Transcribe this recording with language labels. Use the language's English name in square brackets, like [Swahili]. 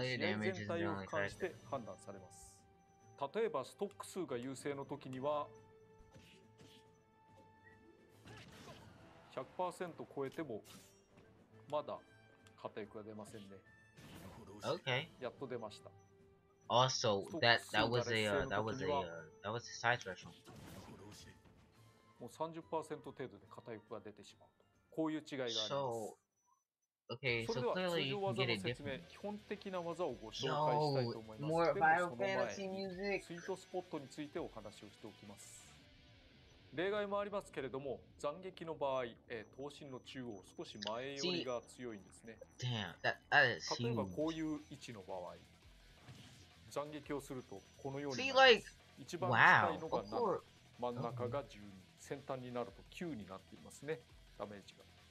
[Japanese] 全体を関して判断されます。例えばストック数が優勢の時には 100% 超えてもまだ肩翼が出ませんね。 [English] Okay. [Japanese] やっと出ました。 [English] Also, that was a size threshold. [Japanese] もう 30% 程度で肩翼が出てしまう。こういう違いがあります。 [English] So, okay, so clearly you can get a different. [Japanese] 基本的な技をご紹介したいと思います。 [English] More Final Fantasy music. [Japanese] スイートスポットについてお話をしておきます。例外もありますけれども、斬撃の場合、刀身の中央、少し前寄りが強いんですね。例えばこういう位置の場合、斬撃をするとこのように、一番近いのが真ん中が12、先端になると9になっていますね、ダメージが。